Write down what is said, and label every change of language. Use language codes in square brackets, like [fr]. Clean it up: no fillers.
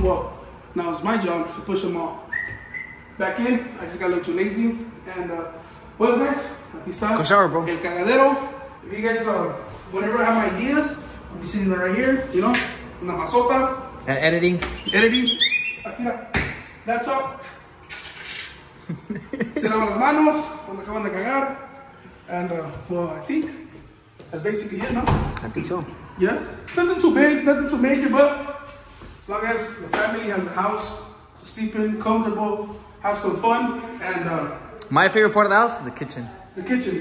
[en] Well, now it's my job to push them all back in. I just got a little too lazy. And, what's next? [es] Aquí está. [en] Go shower, bro. [es] El cagadero. [en] If you guys, whenever I have ideas, I'll be sitting right here, you know. [es] Una masota. [en] Editing. Editing. Akira. Laptop. [es] Se lavan las manos cuando acaban de cagar. [en] And, well, I think that's basically it, no? I think so. Yeah. Nothing too big, nothing too major, but as long as the family has the house to sleep in, comfortable, have some fun, and, My favorite part of the house is the kitchen. The kitchen.